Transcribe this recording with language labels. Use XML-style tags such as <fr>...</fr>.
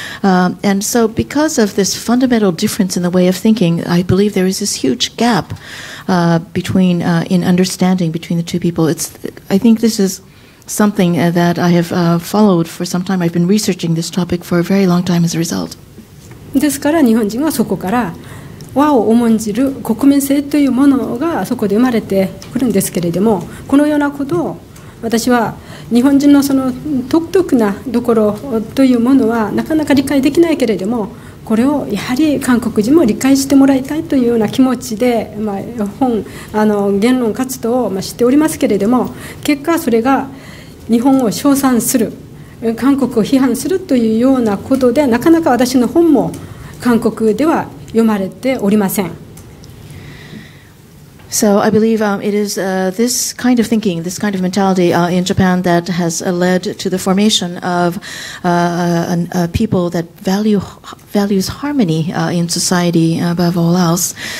<en>And so because of this fundamental difference in the way of thinking, I believe there is this huge gap between in understanding between the two people. I think this is something that I have followed for some time. I've been researching this topic for a very long time as a result.</en> <ja>ですから日本人はそこから和を重んじる国民性というものがそこで生まれてくるんですけれども、このようなことを私は日本人のその独特なところというものはなかなか理解できないけれども、これをやはり韓国人も理解してもらいたいというような気持ちで、まあ、本言論活動をしておりますけれども、結果それが日本を称賛する、韓国を批判するというようなことで、なかなか私の本も韓国では読まれておりません。</ja> <en>So I believe it is this kind of thinking, this kind of mentality in Japan that has led to the formation of a people that values harmony in society above all else.</en>